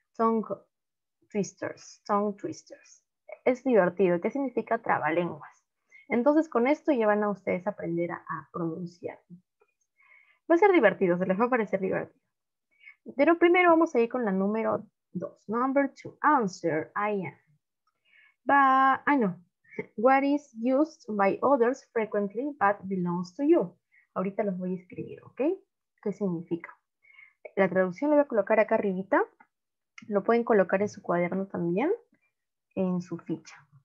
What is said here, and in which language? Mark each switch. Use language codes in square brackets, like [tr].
[es] tongue twisters. Es divertido. ¿Qué significa trabalenguas? Entonces, con esto ya van a ustedes aprender a pronunciar. Va a ser divertido, se les va a parecer divertido. Pero primero vamos a ir con la número 2. [en] Number 2. Answer, I am. What is used by others frequently but belongs to you? [es] Ahorita los voy a escribir, ¿ok? ¿Qué significa? La traducción la voy a colocar acá arribita. Lo pueden colocar en su cuaderno también, en su ficha.